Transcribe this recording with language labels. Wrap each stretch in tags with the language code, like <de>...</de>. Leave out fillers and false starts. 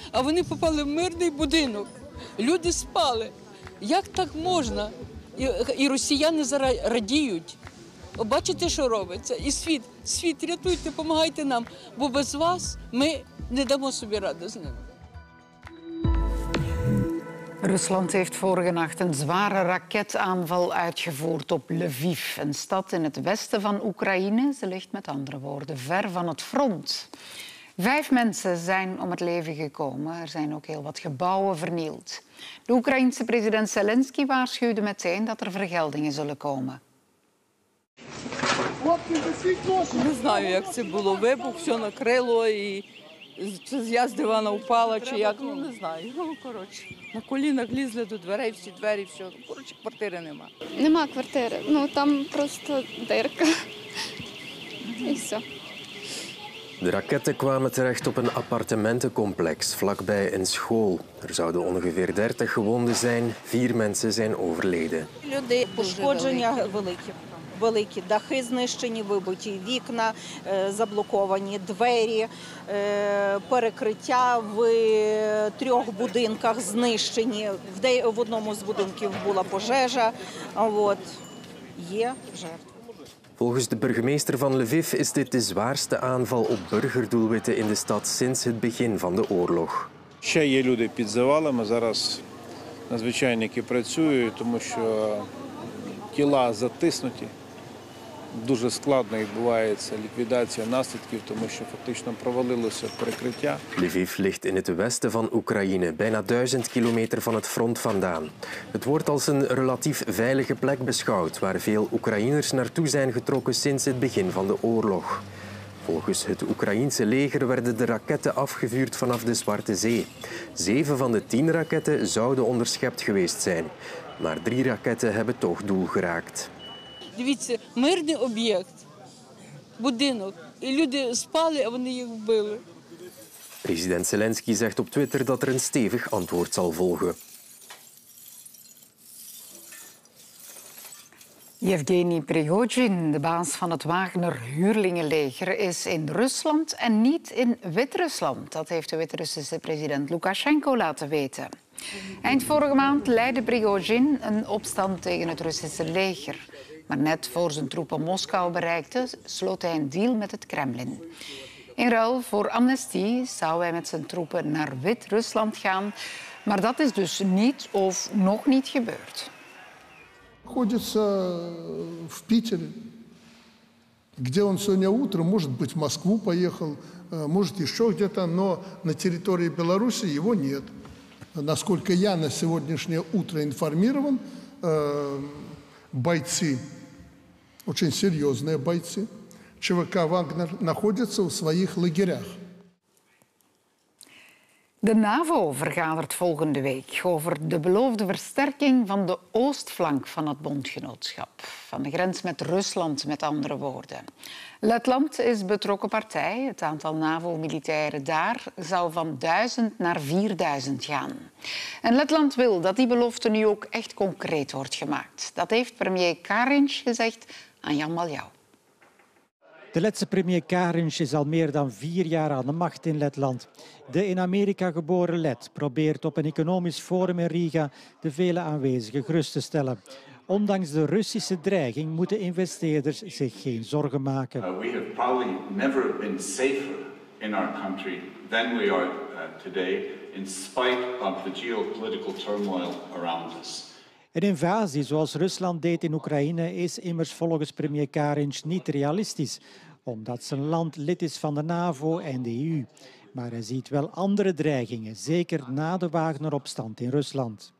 <uk>А вони попали в мирний будинок. Люди спали. Як так можна? І росіяни зараз радіють. Бачите, що робиться? І світ, світ, рятуйте, допомагайте нам, бо без вас ми не дамо собі ради з ними.</uk> <nl>Rusland heeft vorige nacht een zware raketaanval uitgevoerd op Lviv, een stad in het westen van Oekraïne. Ze ligt met andere woorden ver van het front. 5 mensen zijn om het leven gekomen. Er zijn ook heel wat gebouwen vernield. De Oekraïnse president Zelensky waarschuwde meteen dat er vergeldingen zullen komen. Ik weet niet hoe het was. Het was een bom, alles</nl> <uk>nakrilo. з'їзди вона упала чи як, ну не знаю. Ну, коротше, на колінах лізли до дверей, всі двері, все. Коротше, квартири нема. Нема квартири, ну там просто дирка. І все.</uk> <nl>De raketten kwamen terecht op een appartementencomplex vlakbij een school. Er zouden ongeveer 30 gewonden zijn. 4 mensen zijn overleden.</nl> <uk>Люди пошкодження великі. Великі дахи знищені, вибиті вікна, заблоковані двері, перекриття в 3 будинках знищені. В одному з будинків була пожежа. От є жертва.</uk> <nl>Volgens de burgemeester van Lviv is dit de zwaarste aanval op burgerdoelwitten in de stad sinds het begin van de oorlog.</nl> <uk>Ще є люди під завалами, зараз надзвичайники працюють, тому що тіла затиснуті. Дуже складно відбувається ліквідація наслідків, тому що фактично провалилося перекриття.</uk> <nl>Львів ligt in het westen van Oekraïne, bijna 1000 kilometer van het front vandaan. Het wordt als een relatief veilige plek beschouwd, waar veel Oekraïners naartoe zijn getrokken sinds het begin van de oorlog. Volgens het Oekraïense leger werden de raketten afgevuurd vanaf de Zwarte Zee. 7 van de 10 raketten zouden onderschept geweest zijn, maar 3 raketten hebben toch doel geraakt.</nl> <uk>Дивіться, мирний об'єкт, будинок. І люди спали, а вони їх вбили.</uk> <nl>Президент Зеленський zegt op Twitter dat er een stevig antwoord zal volgen. Yevgeny Prigozhin, de baas van het Wagner-huurlingenleger, is in Rusland en niet in Wit-Rusland. Dat heeft de Wit-Russische president Lukashenko laten weten. Eind vorige maand leidde Prigozhin een opstand tegen het Russische leger. Maar net voor zijn troepen Moskou bereikten, sloot hij een deal met het Kremlin. In ruil voor amnestie zou hij met zijn troepen naar Wit-Rusland gaan. Maar dat is dus niet of nog niet gebeurd.</nl> <ru>Находится в Питере, где он сегодня утром, может быть, в Москву поехал, может, еще где-то, но на территории Беларуси его нет. Насколько я на сегодняшнее утро информирован, бойцы, очень серьезные бойцы, ЧВК «Вагнер» находятся в своих лагерях.</ru> <nl>De NAVO vergadert volgende week over de beloofde versterking van de oostflank van het bondgenootschap. Van de grens met Rusland, met andere woorden. Letland is betrokken partij. Het aantal NAVO-militairen daar zou van 1000 naar 4000 gaan. En Letland wil dat die belofte nu ook echt concreet wordt gemaakt. Dat heeft premier Kariņš gezegd aan Jan Maljau. De Letse premier Kariņš is al meer dan 4 jaar aan de macht in Letland. De in Amerika geboren Let probeert op een economisch forum in Riga de vele aanwezigen gerust te stellen. Ondanks de Russische dreiging moeten investeerders zich geen zorgen maken.</nl> <en>We have probably never been safer in our country than we are today, in spite of the geopolitical turmoil around us.</en> <nl>Een invasie zoals Rusland deed in Oekraïne is immers volgens premier Kariņš niet realistisch, omdat zijn land lid is van de NAVO en de EU. Maar hij ziet wel andere dreigingen, zeker na de Wagner-opstand in Rusland.</nl>